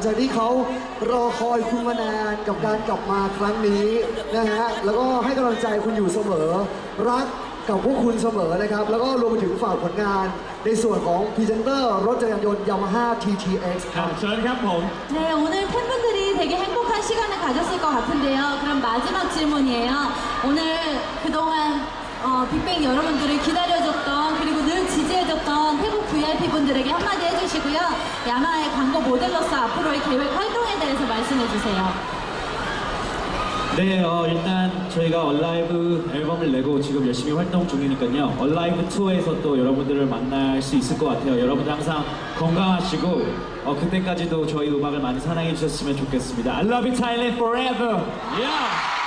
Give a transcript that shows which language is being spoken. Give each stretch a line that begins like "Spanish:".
Thai: แฟนๆ VIP Thailand หลังจากที่เขารอคอยคุณมานานกับการกลับมาครั้งนี้นะฮะแล้วก็ให้กำลังใจคุณอยู่เสมอรัก กับพวกคุณเสมอนะครับแล้วก็รวมไปถึงฝากผลงานในส่วนของพรีเซนเตอร์รถจักรยานยนต์ Yamaha TTX ครับเชิญครับผม เนี่ย
Korean: 오늘 팬분들이 되게 행복한 시간을 가졌을 것 같은데요 그럼 마지막 질문이에요 오늘 그동안 빅뱅 여러분들을 기다려줬던 그리고 늘 지지해줬던 태국 VIP 분들에게 한마디 해주시고요 Yamaha의 광고 모델로서 앞으로의 계획 활동에 대해서 말씀해주세요 네일단저희가얼라이브앨범을내고지금열심히활동중이니까요얼라이브투어에서또여러분들을만날수있을것같아요여러분들항상건강하시고그때까지도저희음악을많이사랑해주셨으면좋겠습니다
English: I love you Thailand forever yeah